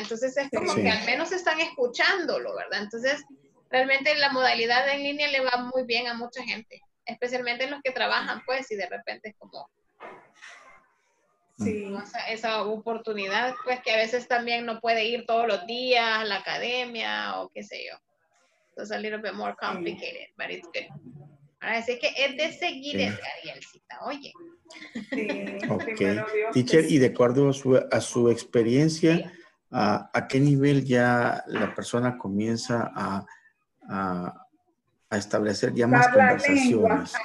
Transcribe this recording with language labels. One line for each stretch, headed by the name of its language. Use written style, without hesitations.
Spanish: Entonces es como sí, que al menos están escuchándolo, ¿verdad? Entonces realmente la modalidad en línea le va muy bien a mucha gente, especialmente los que trabajan, pues, y de repente es como... Sí. Esa oportunidad, pues, que a veces también no puede ir todos los días a la academia o qué sé yo.
English: It's a little bit more complicated,
Spanish: sí,
English: but it's good.
Spanish: Ahora, así que es de seguir, sí, Arielcita, oye. Sí, okay. Primero Dios. Teacher, y de acuerdo a su experiencia, sí, ¿a qué nivel ya la persona comienza a establecer ya más conversaciones?